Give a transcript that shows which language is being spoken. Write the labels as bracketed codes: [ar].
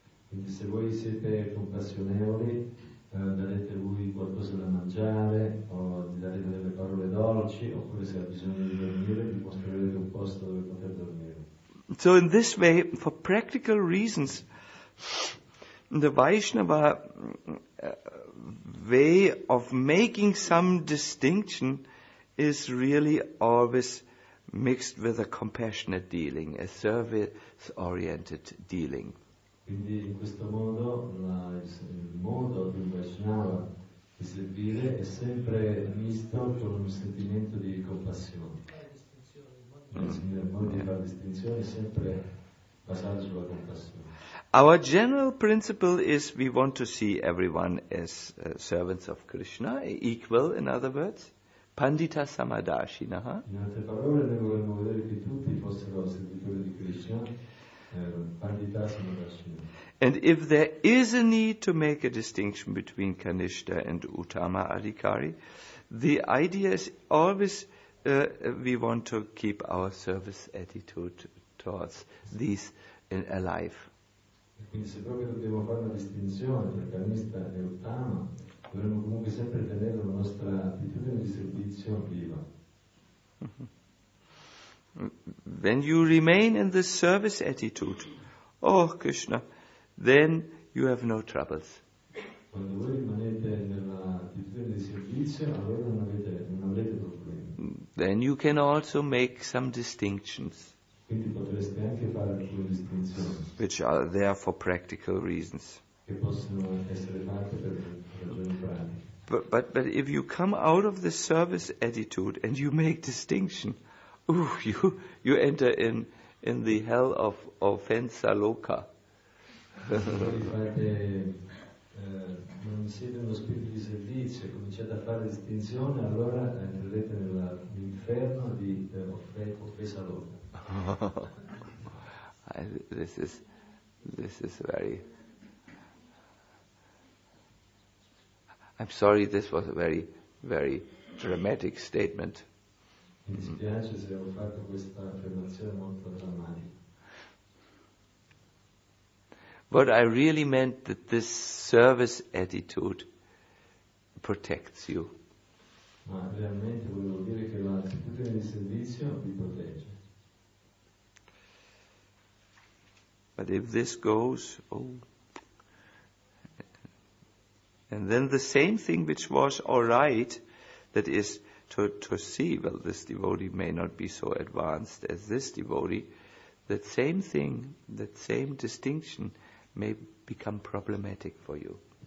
[it] Quindi se voi siete compassionevoli, darete lui qualcosa da mangiare, o gli darete delle parole dolci, oppure se ha bisogno di dormire, vi mostrerete un posto dove poter dormire. [en] So in this way, for practical reasons, the Vaishnava way of making some distinction is really always mixed with a compassionate dealing, a service-oriented dealing. [it] Quindi in questo modo il modo di un Vaishnava di servire è sempre misto con un sentimento di compassione. Il modo di fare distinzione è sempre basato sulla compassione. [en] Our general principle is we want to see everyone as servants of Krishna, equal, in other words, pandita samadashinaha. [it] In altre parole, noi vogliamo vedere che tutti fossero servitori di Krishna, pandita samadashinaha. [en] And if there is a need to make a distinction between Kanishta and Uttama Adhikari, the idea is always we want to keep our service attitude towards these in alive. [it] Quindi se proprio dobbiamo fare una distinzione tra Kanishta e Uttama, dovremmo comunque sempre tenere la nostra attitudine di servizio viva. [en] When you remain in this service attitude, oh Krishna, then you have no troubles. [it] Quando voi rimanete nell'attitudine di servizio, allora non avrete problemi. [en] Then you can also make some distinctions. [it] Quindi potreste anche fare alcune distinzioni. [en] Which are there for practical reasons. [it] Che possono essere fatte per ragioni pratiche. [en] But if you come out of the service attitude and you make distinction, you enter in the hell of offensa loca. [it] Non siete uno spirito di servizio, cominciate a fare distinzione, allora entrerete nell'inferno di offesa loca. [en] This is very. I'm sorry, this was a very, very dramatic statement. [it] Mi dispiace se ho fatto questa affermazione molto drammatica. [en] But I really meant that this service attitude protects you. [it] Ma realmente volevo dire che l'attitudine di servizio vi protegge. [en] But if this goes, And then the same thing which was all right, that is to see, well, this devotee may not be so advanced as this devotee, that same thing, that same distinction may become problematic for you.